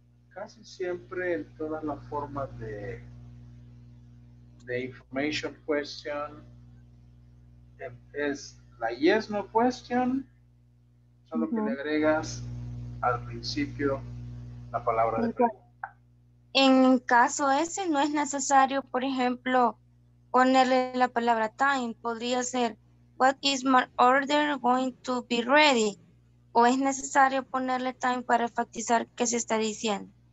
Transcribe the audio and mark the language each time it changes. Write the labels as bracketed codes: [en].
[es] Casi siempre en todas las formas de information question, es la yes no question, solo que le agregas al principio la palabra de pregunta. En caso ese no es necesario, por ejemplo, ponerle la palabra time. Podría ser, [en] what is my order going to be ready? [es] ¿O es necesario ponerle time para enfatizar qué se está diciendo?